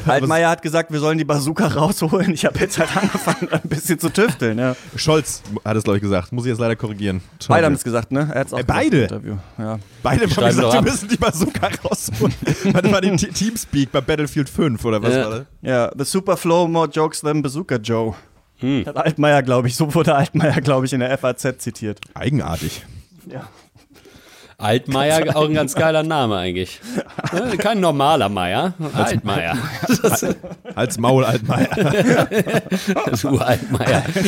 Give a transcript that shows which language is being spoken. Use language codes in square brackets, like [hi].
[de] Altmaier hat gesagt, wir sollen die Bazooka rausholen. Ich habe jetzt halt angefangen, ein bisschen zu tüfteln. Ja. Scholz hat es, glaube ich, gesagt. Muss ich jetzt leider korrigieren. Toll. Beide haben es gesagt, ne? Er hat es auch beide? Gesagt. Beide? Ja. Beide haben gesagt, wir müssen die Bazooka rausholen. Warte mal, den Teamspeak bei Battlefield 5 oder was war das? [en] Ja, the super flow, more jokes than Bazooka Joe. [de] Hat Altmaier, glaube ich, so wurde Altmaier, glaube ich, in der FAZ zitiert. Eigenartig. Ja. Altmaier, auch ein ganz geiler Name eigentlich. Kein normaler Meier, Altmaier. Als Maul Altmaier. Als Ur-Altmaier.